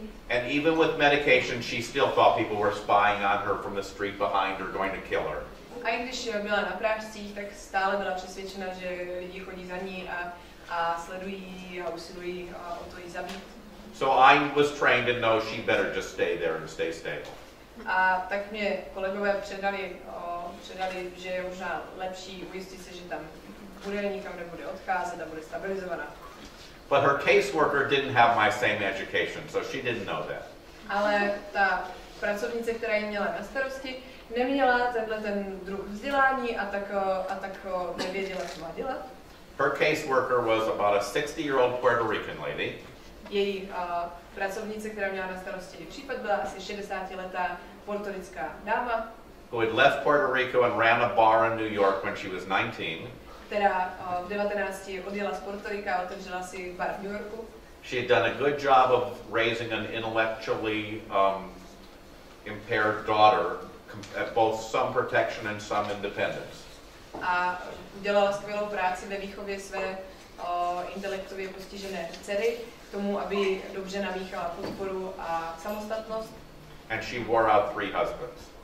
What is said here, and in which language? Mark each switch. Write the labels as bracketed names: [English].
[English] And even with medication, she still thought people were spying on her from the street behind her, going to kill her. [Czech] A i když byla na prášcích, tak stále byla přesvědčena, že lidi chodí za ní a sledují ji a usilují o to ji zabít. [English] So I was trained and know she better just stay there and stay stable. [Czech] A tak mě kolegové předali, že je možná lepší ujistit se, že tam bude, nikam nebude odcházet a bude stabilizovaná. [English] But her caseworker didn't have my same education, so she didn't know that. [Czech] Ale ta pracovnice, která ji měla na starosti, neměla tenhle ten druh vzdělání a tak nevěděla, co má dělat. [English] Her caseworker was about a 60-year-old Puerto Rican lady. [Czech] Její pracovnice, která měla na starosti případ, byla asi 60-letá portorická dáma. [English] Who had left Puerto Rico and ran a bar in New York when she was 19. [Czech] Která v 19. odjela z Puerto Rica a otevřela si bar v New Yorku. [English] She had done a good job of raising an intellectually impaired daughter, both some protection and some independence. [Czech] A udělala skvělou práci ve výchově své intelektově postižené dcery, k tomu, aby dobře namíchala podporu a samostatnost. [English] And she wore out three husbands.